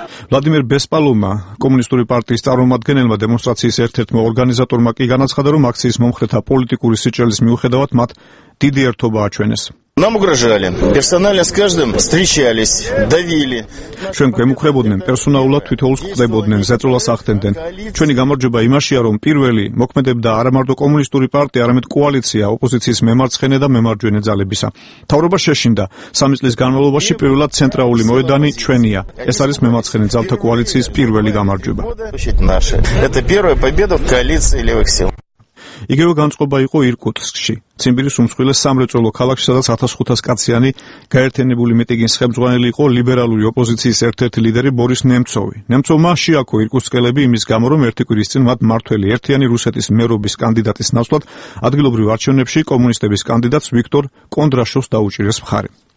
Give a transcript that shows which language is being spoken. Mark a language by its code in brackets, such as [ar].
[ka] ვლადიმერ ბესპალომა, კომუნისტური პარტიის წარმომადგენელმა, დემონსტრაციის ერთ-ერთმა ორგანიზატორმა კი განაცხადა, რომ აქციის მომხრეთა პოლიტიკური სიჭელის მიუხედავად მათ დიდი ერთობა აჩვენეს. [ru] Нам угрожали. Персонально с каждым встречались, давили. [ka] Чვენ გემუქრებოდნენ, პერსონალურად თვითონს ხვდებოდნენ, ზეწოლას ახდენდნენ. ჩვენი გამარჯობა იმაშია, რომ პირველი მოქმედებდა არამარტო კომუნისტური პარტია, არამედ კოალიცია ოპოზიციის მემარცხენე და მემარჯვენე ძალებისა. თავრობა შეშინდა. სამი წლის განმავლობაში პირველად ცენტრალური მოედანი ჩვენია. ეს არის მემარცხენე ძალთა კოალიციის პირველი გამარჯობა. [ru] Это первая победа в коалиции левых сил. [ka] იგივე განწყობა იყო ირკუტსკში, ციმბირის უმსხვილეს სამრეწველო ქალაქში, სადაც 1500 კაციანი გაერთიანებული მიტინგის ხელმძღვანელი იყო ლიბერალური ოპოზიციის ერთ-ერთი ლიდერი ბორის ნემცოვი. ნემცოვმა შეაქო ირკუტსკელები იმის გამო, რომ ერთი კვირის წინ მათ მართველი ერთიანი რუსეთის მერობის კანდიდატის ნაცვლად ადგილობრივ არჩევნებში კომუნისტების კანდიდატს ვიქტორ კონდრაშოვს დაუჭირეს მხარი.